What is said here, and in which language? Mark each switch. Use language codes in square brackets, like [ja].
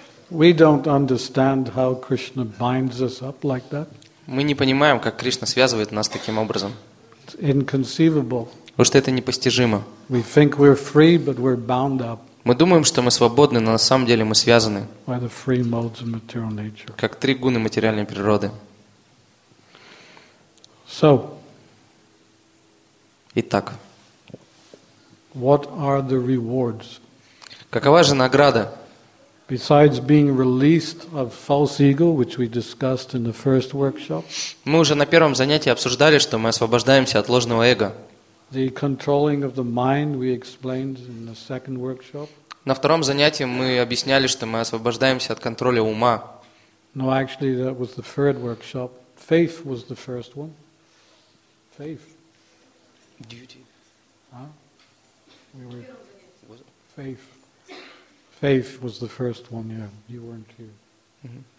[en] We don't understand how Krishna binds us up like that. [ru] Мы не понимаем, как Кришна связывает нас таким образом. [en] It's inconceivable. [ru] Потому что это непостижимо. [en] We think we're free, but we're bound up. [ru] Мы думаем, что мы свободны, но на самом деле мы связаны. [en] By the three modes of material nature. [ru] Как три гуны материальной природы. [en] So. [ru] Итак. [en] What are the rewards? [ru] Какова же награда? [en] Besides being released of false ego, which we discussed in the first workshop, [ru] мы уже на первом занятии обсуждали, что мы освобождаемся от ложного эго. [en] The controlling of the mind we explained in the second workshop. [ru] На втором занятии мы объясняли, что мы освобождаемся от контроля ума. [en] No, actually, that was the third workshop. Faith was the first one. Faith. Duty. Faith. Faith was the first one. Yeah, you weren't here.